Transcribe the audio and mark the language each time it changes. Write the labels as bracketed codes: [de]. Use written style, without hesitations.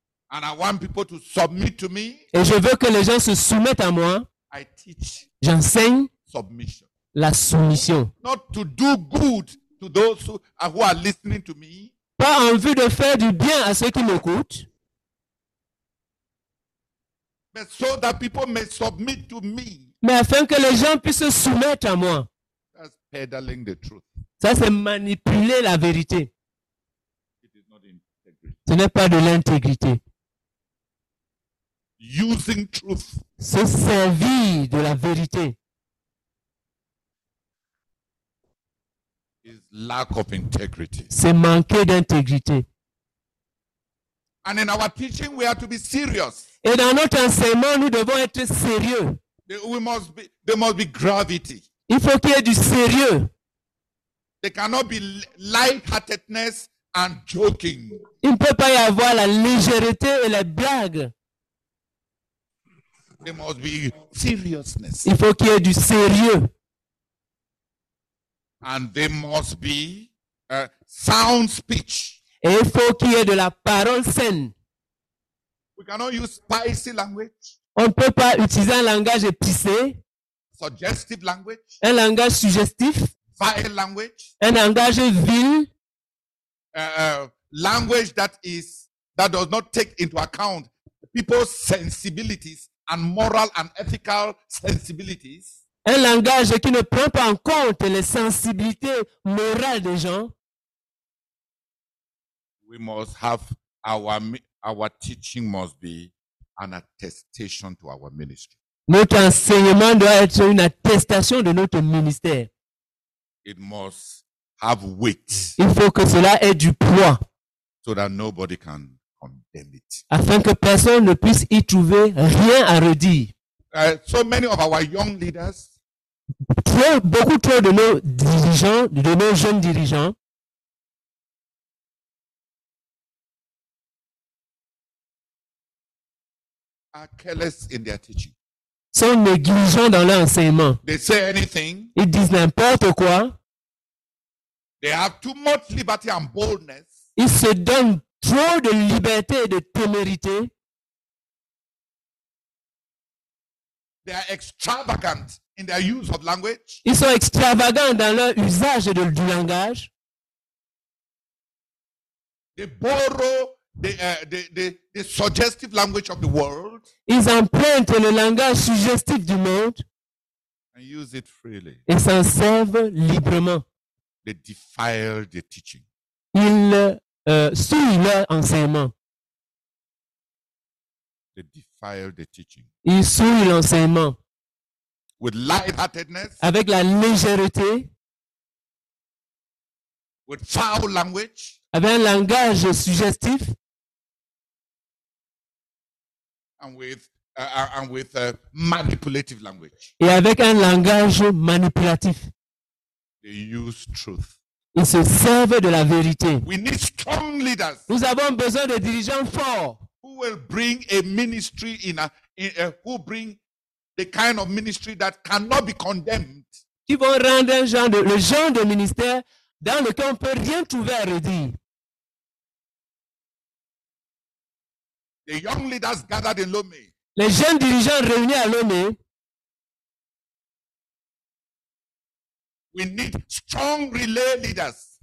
[en] and I want people to submit to me, [fr] et je veux que les gens se soumettent à moi, [en] I teach, [fr] j'enseigne [en] submission. [fr] La soumission. [en] Not to do good to those who are listening to me, [fr] pas en vue de faire du bien à ceux qui m'écoutent, [en] but so that people may submit to me. [fr] Mais afin que les gens puissent se soumettre à moi. [en] That's peddling the truth. [fr] Ça, c'est manipuler la vérité. [en] It is not integrity. [fr] Ce n'est pas de l'intégrité. [en] Using truth. [fr] Se servir de la vérité. [en] Is lack of integrity. [fr] C'est manquer d'intégrité. [en] And in our teaching, we are to be serious. [fr] Et dans notre enseignement, nous devons être sérieux. [en] There must be gravity. [fr] Il faut qu'il y ait du sérieux. [en] There cannot be lightheartedness and joking. [fr] Il ne peut pas y avoir la légèreté et la blague. [en] There must be seriousness. [fr] Il faut qu'il y ait du sérieux. [en] And there must be a sound speech. [fr] Et il faut qu'il y ait de la parole saine. [en] We cannot use spicy language. [fr] On ne peut pas utiliser un langage épicé. [en] Suggestive language. [fr] Un langage suggestif. [en] Vile language. [fr] Un langage vil. [en] Language that does not take into account people's sensibilities and moral and ethical sensibilities. [fr] Un langage qui ne prend pas en compte les sensibilités morales des gens. [en] We must have our teaching must be an attestation to our ministry. [fr] Notre enseignement doit être une attestation de notre ministère. [en] It must have weight. [fr] Il faut que cela ait du poids. [en] So that nobody can condemn it. [fr] Afin que personne ne puisse y trouver rien à redire. [en] So many of our young leaders. [fr] Beaucoup trop de nos dirigeants, de nos jeunes dirigeants. [en] Are careless in their teaching. [fr] Sont négligents dans leur enseignement. [en] They say anything. [fr] Ils disent n'importe quoi. [en] They have too much liberty and boldness. [fr] Ils se donnent trop de liberté et de témérité. [en] They are extravagant in their use of language. [fr] Ils sont extravagants dans leur usage du langage. [en] They borrow the suggestive language of the world. [fr] Ils empruntent le langage suggestif du monde. [en] And use it freely. [fr] Et s'en servent librement. [en] They defile the teaching. [fr] Ils souillent leur enseignement. [en] They defile the teaching. [fr] Ils souillent l'enseignement. [en] With lightheartedness. [fr] Avec la légèreté. [en] With foul language. [fr] Avec un langage suggestif. [en] And with a manipulative language. [fr] Et avec un langage manipulatif. [en] They use truth. [fr] Ils se servent de la vérité. [en] We need strong leaders. [fr] Nous avons besoin de dirigeants forts. [en] Who will bring a ministry who bring the kind of ministry that cannot be condemned? [fr] Qui vont rendre le genre de ministère dans lequel on ne peut rien trouver à redire. [en] The young leaders gathered in Lomé. [fr] Les jeunes dirigeants réunis à Lomé. [en] We need strong relay leaders.